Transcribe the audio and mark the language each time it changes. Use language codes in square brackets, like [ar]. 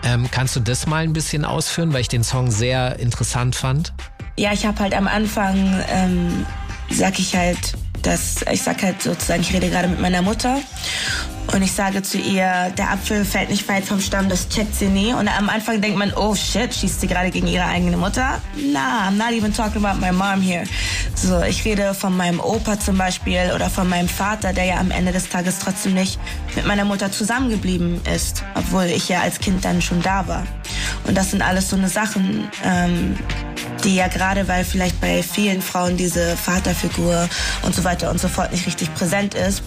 [de] Kannst du das mal ein bisschen ausführen, weil ich den Song sehr interessant fand? Ja, ich habe halt am Anfang, ich rede gerade mit meiner Mutter und ich sage zu ihr, der Apfel fällt nicht weit vom Stamm, das checkt sie nie. Und am Anfang denkt man, [en] oh shit, [de] schießt sie gerade gegen ihre eigene Mutter? [en] Nah, I'm not even talking about my mom here. [de] So, ich rede von meinem Opa zum Beispiel oder von meinem Vater, der ja am Ende des Tages trotzdem nicht mit meiner Mutter zusammengeblieben ist, obwohl ich ja als Kind dann schon da war. Und das sind alles so eine Sachen, die ja gerade, weil vielleicht bei vielen Frauen diese Vaterfigur und so weiter und so fort nicht richtig präsent ist.